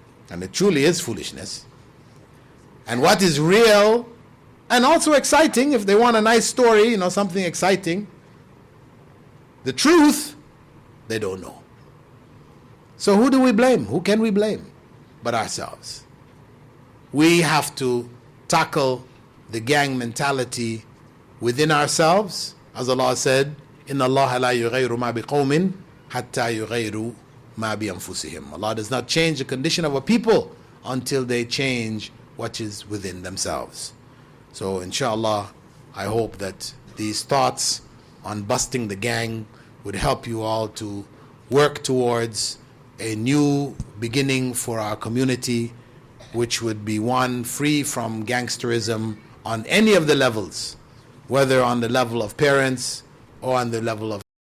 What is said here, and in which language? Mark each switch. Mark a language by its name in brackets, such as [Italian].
[English] And it truly is foolishness. And what is real and also exciting, if they want a nice story, you know, something exciting. The truth, they don't know. So who do we blame? Who can we blame but ourselves? We have to tackle the gang mentality within ourselves. As Allah said, [Arabic] إِنَّ اللَّهَ لَا يُغَيْرُ مَا بِقَوْمٍ حَتَّى يُغَيْرُ مَا بِأَنفُسِهِمْ. [English] Allah does not change the condition of a people until they change what is within themselves. So inshallah, I hope that these thoughts on busting the gang would help you all to work towards a new beginning for our community, which would be one free from gangsterism on any of the levels, whether on the level of parents or on the level of